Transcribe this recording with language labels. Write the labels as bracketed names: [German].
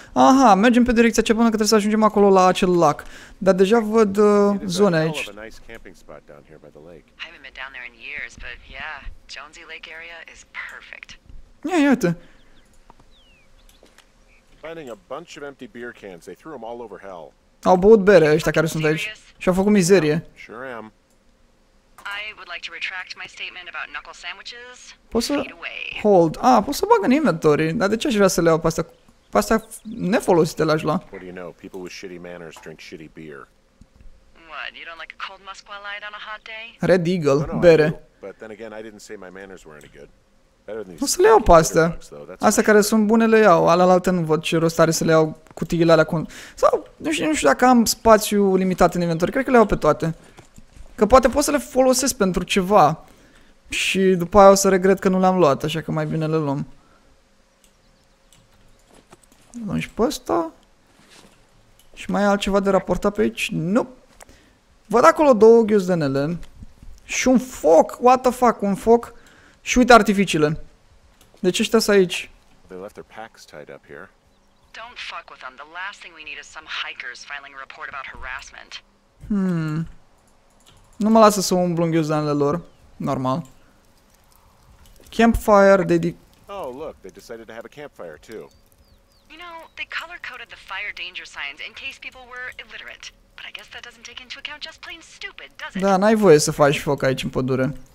[Romanian] Aha, mergem pe direcția cea bună că trebuie să ajungem acolo la acel lac. Dar deja văd zone aici. [English] A nice camping spot down here by the lake. I haven't been down there in years, but yeah, Jonesy Lake area is perfect. [Romanian] Yeah, iată. [English] Finding a bunch of empty beer cans. They threw them all over hell. [Romanian] Au băut bere ăștia care sunt aici. Și-au făcut mizerie. [English] Sure am. I would like to retract my statement about knuckle sandwiches. [Romanian] Poți să... [English] Hold. [Romanian] Ah, poți să bag în inventory. Dar de ce aș vrea să le iau pasta? Pasta nefolosită l-aș lua. [English] What do you know? People with shitty manners drink shitty beer. What? You don't like a cold Moscow light on a hot day? [Romanian] Red Eagle. Bere. [English] But then again, I didn't say my manners were any good. [Romanian] O să le iau pe astea. Astea care sunt bune le iau, alealte nu văd ce rost are să le iau cutiile alea cu... Sau nu știu dacă am spațiu limitat în inventory, cred că le iau pe toate. Că poate pot să le folosesc pentru ceva. Și după aia o să regret că nu le-am luat, așa că mai bine le luăm. Luăm și pe ăsta. Și mai e altceva de raportat pe aici? Nu. Văd acolo două ghiozdănele. Și un foc, [English] what the fuck, [Romanian] un foc. Și uite artificiile. De ce ăștia sunt aici? [English] They left their packs tied up here. Don't fuck with them. The last thing we need is some hikers filing a report about harassment. [Romanian] Nu mă lasă să umblu în ghiozdanele lor. [English] Normal. Campfire, they did... Oh, look, they decided to have a campfire too. You know, they color-coded the fire danger signs in case people were illiterate. But I guess that doesn't take into account just plain stupid, does it? [Romanian] Da, n-ai voie să faci foc aici în pădure.